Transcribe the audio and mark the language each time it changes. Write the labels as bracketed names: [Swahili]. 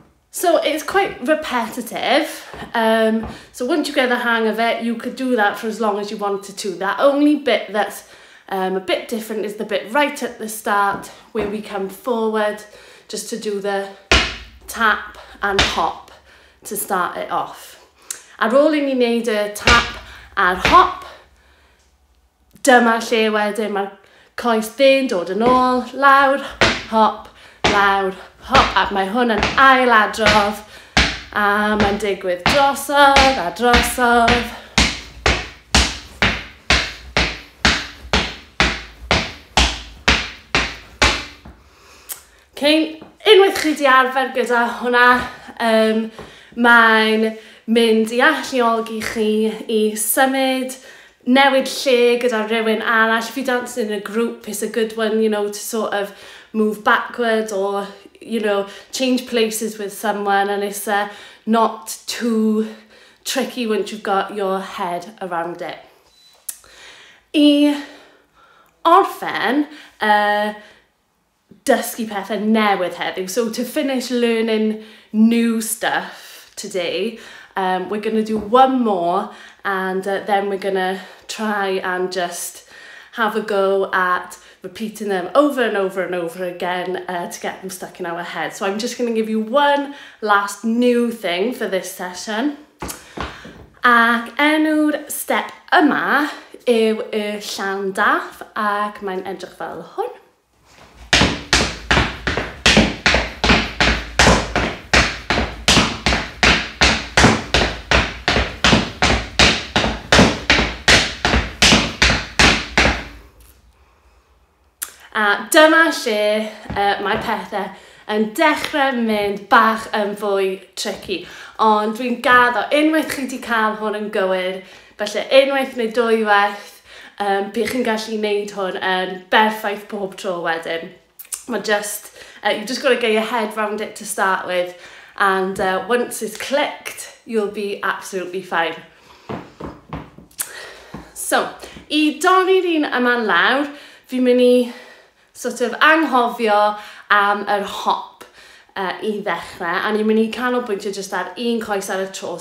[English] So it's quite repetitive. So once you get the hang of it, you could do that for as long as you wanted to. That only bit that's a bit different is the bit right at the start where we come forward just to do the tap and hop to start it off. [Welsh] Ar ôl i ni wneud y tap a'r hop, dyma lle wedyn mae'r coes dde'n dod yn ôl, lawr, hop, lawr, hop, a mae hwn yn ail adrodd, a mae'n digwydd drosodd a drosodd. Okay, unwaith chi di arfer gyda hwnna, mae'n mynd i alluogi chi i symud, newid lle gyda rhywun arall. [English] If you dance in a group, it's a good one, you know, to sort of move backwards or, you know, change places with someone, and it's not too tricky once you've got your head around it. [Welsh] I orffen, dysgu pethau newydd heddiw. [English] So to finish learning new stuff today, we're going to do one more and then we're going to try and just have a go at repeating them over and over and over again to get them stuck in our head. So I'm just going to give you one last new thing for this session. [Welsh] Ac enw'r step yma yw y llandaff, ac mae'n edrych fel hwn. A dyma lle mae pethau yn dechrau mynd bach yn fwy tricky. Ond dwi'n gaddo unwaith chi wedi cael hwn yn gywir, felly unwaith neu dwywaith, bych chi'n gallu gwneud hwn yn berffaith pob tro wedyn. [English] Mae just, you've just got to get your head round it to start with, and once it's clicked, you'll be absolutely fine. [Welsh] So, i donu'r un yma'n lawr, fi'n mynd i sort of anghofio am yr hop i ddechrau, a ni'n mynd i canolbwyntio just ar un coes ar y tro.